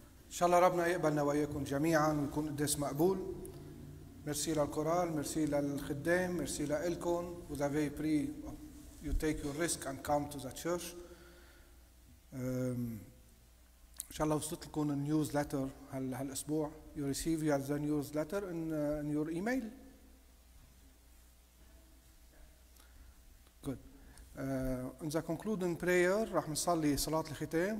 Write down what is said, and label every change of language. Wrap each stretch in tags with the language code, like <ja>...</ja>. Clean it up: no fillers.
<ar>شاء الله ربنا يقبلنا وياكم جميعا ويكون قدس مقبول. مرسي للكورال، مرسي للخدام، مرسي لكم.</ar> <fr>Vous avez pris,</fr> <en>you take your risk and come to the church.</en> <ar>إن شاء الله وصلت لكم النيوزلتر هالأسبوع.</ar> <en>You receive your newsletter in your email. Good. In the concluding prayer,</en> <ar>رح نصلي صلاة الختام.</ar>